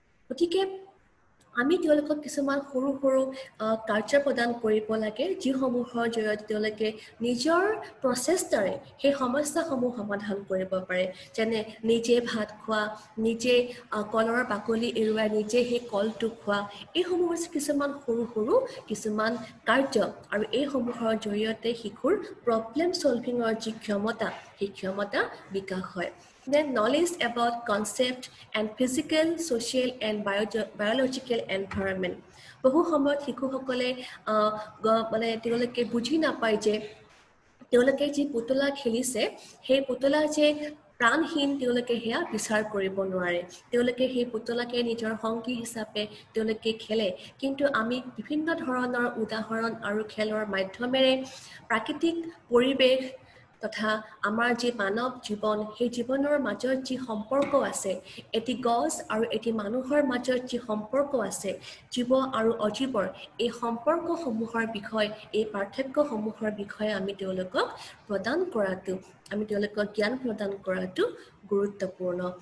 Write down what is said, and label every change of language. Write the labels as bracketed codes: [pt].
[as] গতিকে আমি তেওঁলোকক কিছুমান সৰু সৰু কাৰ্য প্ৰদান কৰিব লাগে, যিসমূহৰ জৰিয়তে তেওঁলোকে নিজৰ প্ৰচেষ্টাৰে সেই সমস্যাসমূহ সমাধান কৰিব পাৰে, যেনে নিজে ভাত খোৱা, নিজে কলৰ বাকলি এৰুৱাই নিজে সেই কলটো খোৱা, এইসমূহ হৈছে কিছুমান সৰু সৰু কিছুমান কাৰ্য, আৰু এইসমূহৰ জৰিয়তে শিশুৰ প্ৰব্লেম চলভিঙৰ যি ক্ষমতা, সেই ক্ষমতা বিকাশ হয়। [en] Then knowledge about concept and physical, social and biological environment. [as] বহু সময়ত শিশুসকলে মানে তেওঁলোকে বুজি নাপায় যে তেওঁলোকে যি পুতলা খেলিছে সেই পুতলা যে প্ৰাণহীন তেওঁলোকে সেয়া বিচাৰ কৰিব নোৱাৰে। তেওঁলোকে সেই পুতলাকে নিজৰ সংগী হিচাপে তেওঁলোকে খেলে। কিন্তু আমি বিভিন্ন ধৰণৰ উদাহৰণ আৰু খেলৰ মাধ্যমেৰে প্ৰাকৃতিক পৰিৱেশ তথা আমাৰ যি মানৱ জীৱন সেই জীৱনৰ মাজত যি সম্পৰ্ক আছে, এটি গছ আৰু এটি মানুহৰ মাজত যি সম্পৰ্ক আছে, জীৱ আৰু অজীৱৰ এই সম্পৰ্কসমূহৰ বিষয়ে, এই পাৰ্থক্যসমূহৰ বিষয়ে আমি তেওঁলোকক প্ৰদান কৰাটো, আমি তেওঁলোকক জ্ঞান প্ৰদান কৰাটো গুৰুত্বপূৰ্ণ।